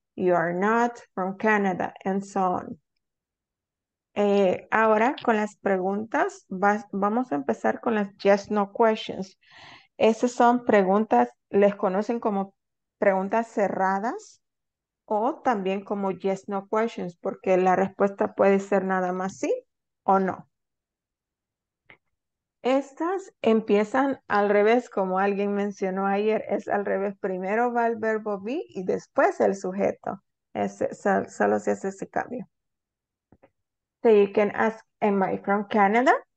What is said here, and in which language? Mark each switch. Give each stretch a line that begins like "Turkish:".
English: You are not from Canada, and so on.
Spanish: Ahora, con las preguntas, vamos a empezar con las
English: yes, no questions.
Spanish: Esas son preguntas, les conocen como preguntas cerradas o también como
English: yes, no questions,
Spanish: porque la respuesta puede ser nada más sí o no. Estas empiezan al revés, como alguien mencionó ayer, es al revés. Primero va el verbo be y después el sujeto. Solo se hace ese cambio.
English: So you can ask, am I from Canada?